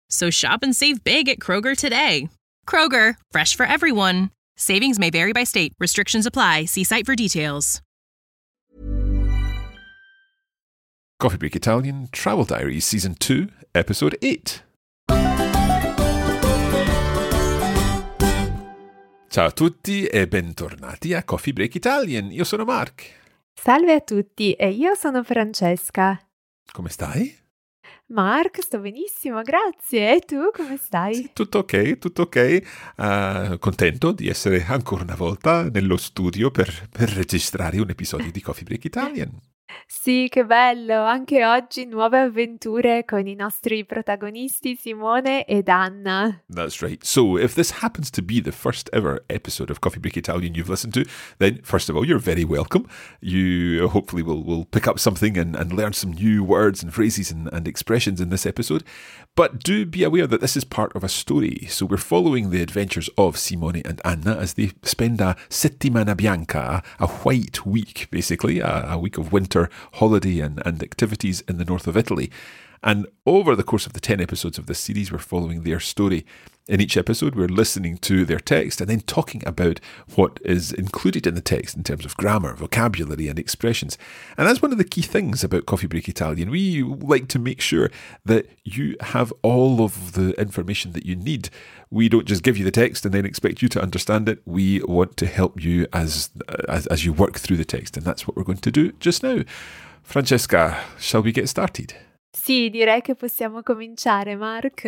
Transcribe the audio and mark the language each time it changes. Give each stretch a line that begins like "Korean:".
English: So shop and save big at Kroger today. Kroger, fresh for everyone. Savings may vary by state. Restrictions apply. See site for details. Coffee Break Italian Travel Diaries Season 2, Episode 8.
Italian: Ciao a tutti e bentornati a Coffee Break Italian. Io sono Mark. Salve a tutti e io sono Francesca. Come stai? Mark, sto benissimo, grazie. E tu come stai? Sì, tutto ok, tutto ok. Contento di essere ancora una volta nello studio per registrare un episodio di Coffee Break Italian. Sì, che bello! Anche oggi nuove avventure con i nostri protagonisti Simone ed Anna.
English: That's right. So, if this happens to be the first ever episode of Coffee Break Italian you've listened to, then first of all, you're very welcome. You hopefully will pick up something and learn some new words and phrases and expressions in this episode. But do be aware that this is part of a story. So we're following the adventures of Simone and Anna as they spend a
Italian: settimana bianca,
English: a white week, basically, a week of winter holiday and activities in the north of Italy. And over the course of the 10 episodes of this series, we're following their story. In each episode, we're listening to their text and then talking about what is included in the text in terms of grammar, vocabulary and expressions. And that's one of the key things about Coffee Break Italian. We like to make sure that you have all of the information that you need. We don't just give you the text and then expect you to understand it. We want to help you as you work through the text. And that's what we're going to do just now. Francesca, shall we get started?
Italian: Sì, direi che possiamo cominciare, Mark.